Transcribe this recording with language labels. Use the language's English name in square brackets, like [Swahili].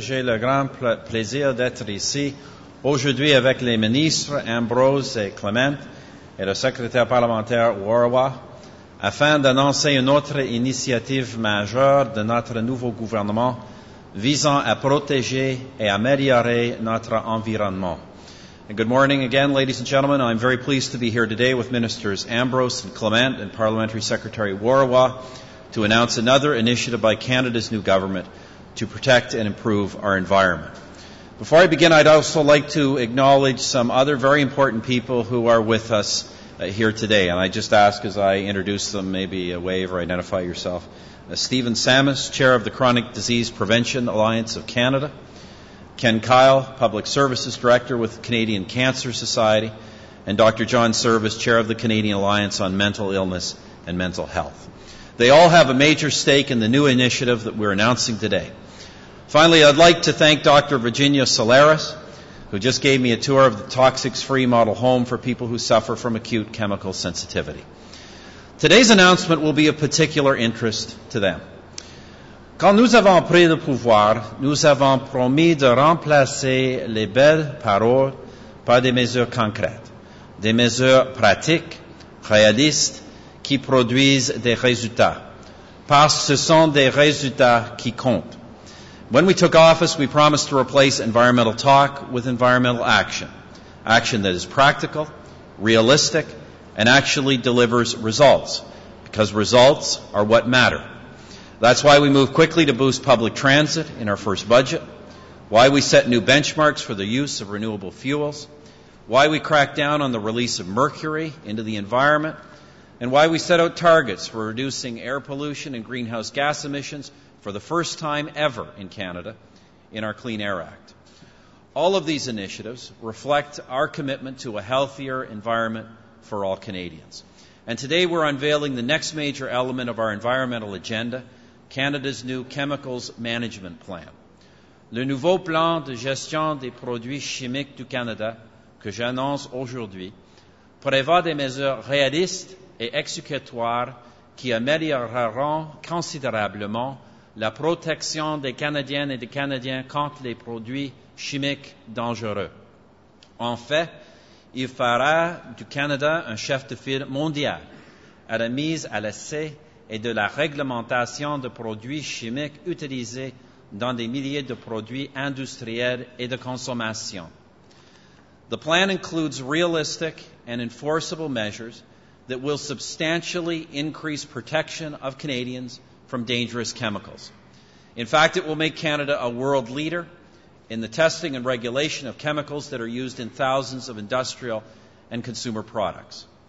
[French] J'ai le grand plaisir d'être ici aujourd'hui avec les ministres Ambrose et Clement et le secrétaire parlementaire Warwa afin d'annoncer une autre initiative majeure de notre nouveau gouvernement visant à protéger et améliorer notre environnement. [English] And good morning again, ladies and gentlemen. I'm very pleased to be here today with ministers Ambrose and Clement and Parliamentary Secretary Warwa to announce another initiative by Canada's new government to protect and improve our environment. Before I begin, I'd also like to acknowledge some other very important people who are with us here today. And I just ask, as I introduce them, maybe a wave or identify yourself. Stephen Samus, Chair of the Chronic Disease Prevention Alliance of Canada. Ken Kyle, Public Services Director with Canadian Cancer Society. And Dr. John Service, Chair of the Canadian Alliance on Mental Illness and Mental Health. They all have a major stake in the new initiative that we're announcing today. Finally, I'd like to thank Dr. Virginia Solaris, who just gave me a tour of the toxics-free model home for people who suffer from acute chemical sensitivity. Today's announcement will be of particular interest to them. [French] Quand nous avons pris le pouvoir, nous avons promis de remplacer les belles paroles par des mesures concrètes, des mesures pratiques, réalistes, qui produisent des résultats, parce que ce sont des résultats qui comptent. [English] When we took office, we promised to replace environmental talk with environmental action, action that is practical, realistic, and actually delivers results, because results are what matter. That's why we moved quickly to boost public transit in our first budget, why we set new benchmarks for the use of renewable fuels, why we cracked down on the release of mercury into the environment, and why we set out targets for reducing air pollution and greenhouse gas emissions for the first time ever in Canada in our Clean Air Act. All of these initiatives reflect our commitment to a healthier environment for all Canadians. And today we're unveiling the next major element of our environmental agenda, Canada's new Chemicals Management Plan. [French] Le nouveau plan de gestion des produits chimiques du Canada, que j'annonce aujourd'hui, prévoit des mesures réalistes et exécutoires qui amélioreront considérablement la protection des Canadiennes et des Canadiens contre les produits chimiques dangereux. En fait, il fera du Canada un chef de file mondial à la mise à l'essai et de la réglementation de produits chimiques utilisés dans des milliers de produits industriels et de consommation. [English] The plan includes realistic and enforceable measures that will substantially increase protection of Canadians from dangerous chemicals. In fact, it will make Canada a world leader in the testing and regulation of chemicals that are used in thousands of industrial and consumer products.